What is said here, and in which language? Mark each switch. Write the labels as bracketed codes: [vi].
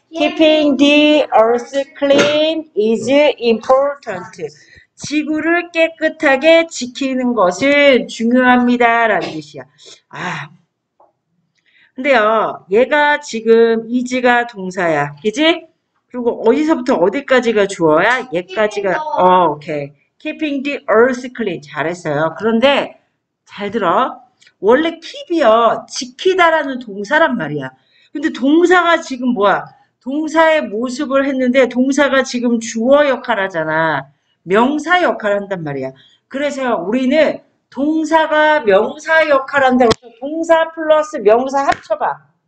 [en] Keeping the earth clean is important. [ko] 지구를 깨끗하게 지키는 것은 중요합니다라는 뜻이야. 아, 근데요, 얘가 지금 is가 동사야, 그지? 그리고 어디서부터 어디까지가 주어야? 얘까지가 오케이. [en] Keeping the earth clean [ko] 잘했어요. 그런데 잘 들어. 원래 keep이요, 지키다라는 동사란 말이야. 근데 동사가 지금 뭐야? 동사의 모습을 했는데 동사가 지금 주어 역할하잖아. 명사 역할을 한단 말이야. 그래서 우리는 동사가 명사 역할을 한다고 해서 동사 플러스 명사 합쳐봐.